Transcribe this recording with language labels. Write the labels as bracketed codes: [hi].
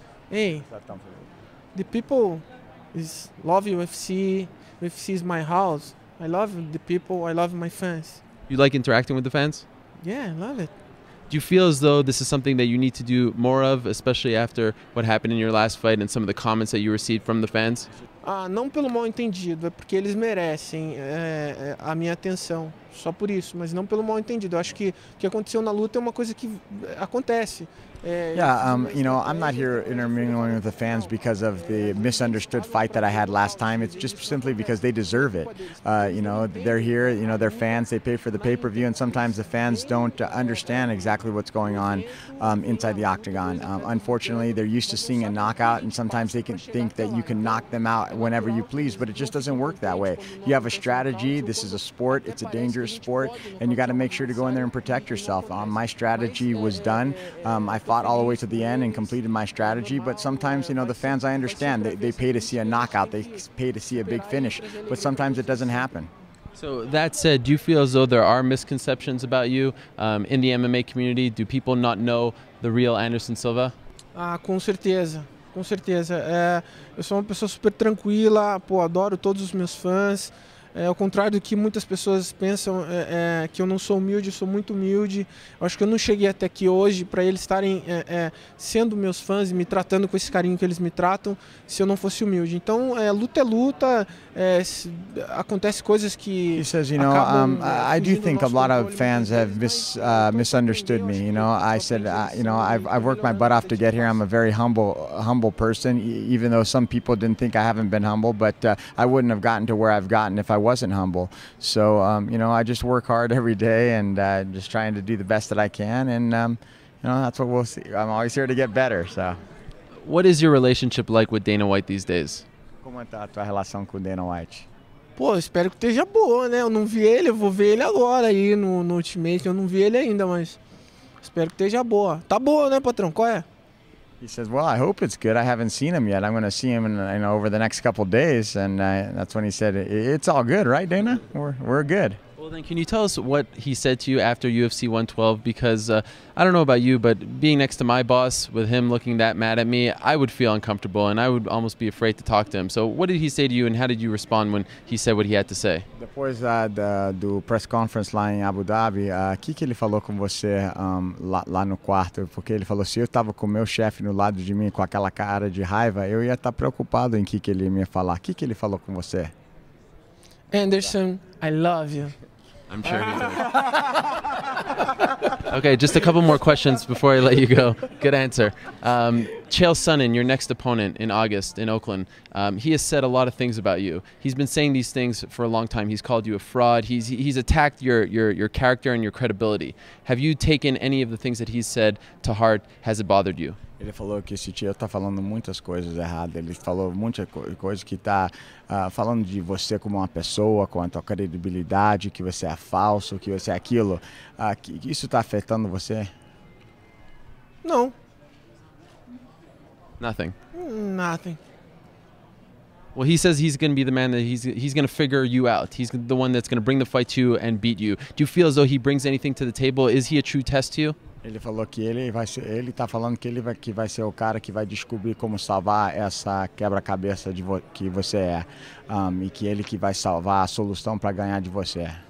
[en] Hey, the people love UFC. UFC is my house. I love the people. I love my fans. You like interacting with the fans? Yeah, I love it. Do you feel as though this is something that you need to do more of, especially after what happened in your last fight and some of the comments that you received from the fans? [pt] Ah, não pelo mal entendido, é porque eles merecem a minha atenção, só por isso, mas não pelo mal entendido. Eu acho que o que aconteceu na luta é uma coisa que acontece. [en] You know, I'm not here intermingling with the fans because of the misunderstood fight that I had last time. It's just simply because they deserve it. You know, they're here, you know, they're fans, they pay for the pay-per-view, and sometimes the fans don't understand exactly what's going on inside the octagon. Unfortunately, they're used to seeing a knockout, and sometimes they can think that you can knock them out whenever you please, but it just doesn't work that way. You have a strategy, this is a sport, it's a dangerous sport, and you got to make sure to go in there and protect yourself. My strategy was done. I fought all the way to the end and completed my strategy, but sometimes, you know, the fans, I understand, they pay to see a knockout, they pay to see a big finish, but sometimes it doesn't happen. So that said, do you feel as though there are misconceptions about you in the MMA community? Do people not know the real Anderson Silva? [pt] Ah, com certeza, com certeza. Eu sou uma pessoa super tranquila, pô, adoro todos os meus fãs. Ao contrário do que muitas pessoas pensam, que eu não sou humilde, eu sou muito humilde. Eu acho que eu não cheguei até aqui hoje para eles estarem sendo meus fãs e me tratando com esse carinho que eles me tratam se eu não fosse humilde. Então, luta é luta, acontece coisas que [en] he says, you know, I do think a lot of fans have misunderstood me. You know, I said, you know, I've worked my butt off to get here. I'm a very humble person, even though some people didn't think I haven't been humble, but I wouldn't have gotten to where I've gotten if I wasn't humble. So, you know, I just work hard every day and just trying to do the best that I can. And, you know, that's what we'll see. I'm always here to get better. So, what is your relationship like with Dana White these days? [pt] Como está a tua relação com Dana White? Pô, espero que esteja boa, né? Eu não vi ele, eu vou ver ele agora aí no Ultimate. Eu não vi ele ainda, mas espero que esteja boa. Tá boa, né, patrão? Qual é? [en] He says, well, I hope it's good. I haven't seen him yet. I'm going to see him over the next couple of days. And that's when he said, it's all good, right, Dana? We're good. Well, then can you tell us what he said to you after UFC 112? Because I don't know about you, but being next to my boss with him looking that mad at me, I would feel uncomfortable and I would almost be afraid to talk to him. So what did he say to you and how did you respond when he said what he had to say? [pt] Depois do [en] press conference [pt] lá em Abu Dhabi, o que ele falou com você lá no quarto? Porque ele falou, se eu estava com meu chefe no lado de mim com aquela cara de raiva, eu ia estar preocupado em que ele ia falar. O que ele falou com você? [en] Anderson, I love you. I'm sure he does. Okay, just a couple more questions before I let you go. Good answer. Chael Sonnen, your next opponent in August in Oakland, he has said a lot of things about you. He's been saying these things for a long time. He's called you a fraud. He's attacked your character and your credibility. Have you taken any of the things that he's said to heart? Has it bothered you? [pt] Ele falou que esse tio tá falando muitas coisas erradas. Ele falou muitas coisas que tá falando de você como uma pessoa, com a tua credibilidade, que você é falso, que você é aquilo. Que isso tá afetando você? Não. [en] Nothing. Nothing. Well, he says he's going to be the man that he's going to figure you out. He's the one that's going to bring the fight to you and beat you. Do you feel as though he brings anything to the table? Is he a true test to you? [pt] Ele falou que ele tá falando que ele vai ser o cara que vai descobrir como salvar essa quebra-cabeça que você é. E que ele que vai salvar a solução para ganhar de você.